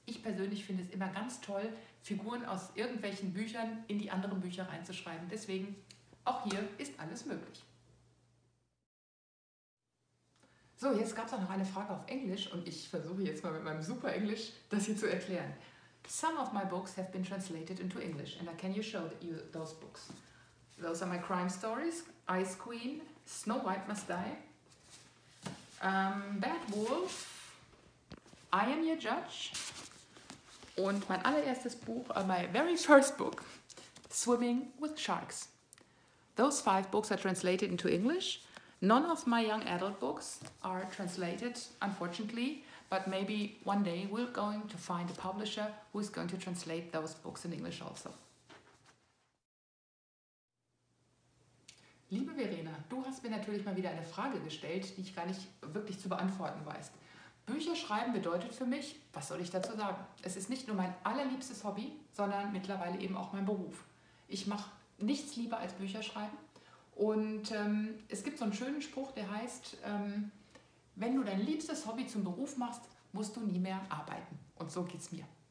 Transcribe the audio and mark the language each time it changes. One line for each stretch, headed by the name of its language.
German: Ich persönlich finde es immer ganz toll, Figuren aus irgendwelchen Büchern in die anderen Bücher reinzuschreiben. Deswegen, auch hier ist alles möglich. So, jetzt gab es auch noch eine Frage auf Englisch und ich versuche jetzt mal mit meinem super Englisch das hier zu erklären.
English: Some of my books have been translated into English and I can you show you those books. Those are my crime stories. Ice Queen. Snow White Must Die. Bad Wolf. I Am Your Judge.
German: Und mein allererstes Buch,
English: my very first book, Swimming with Sharks. Those five books are translated into English. None of my young adult books are translated, unfortunately, but maybe one day we're going to find a publisher who is going to translate those books in English also.
German: Liebe Verena, du hast mir natürlich mal wieder eine Frage gestellt, die ich gar nicht wirklich zu beantworten weiß. Bücher schreiben bedeutet für mich, was soll ich dazu sagen? Es ist nicht nur mein allerliebstes Hobby, sondern mittlerweile eben auch mein Beruf. Ich mache nichts lieber als Bücher schreiben. Und es gibt so einen schönen Spruch, der heißt, wenn du dein liebstes Hobby zum Beruf machst, musst du nie mehr arbeiten. Und so geht's mir.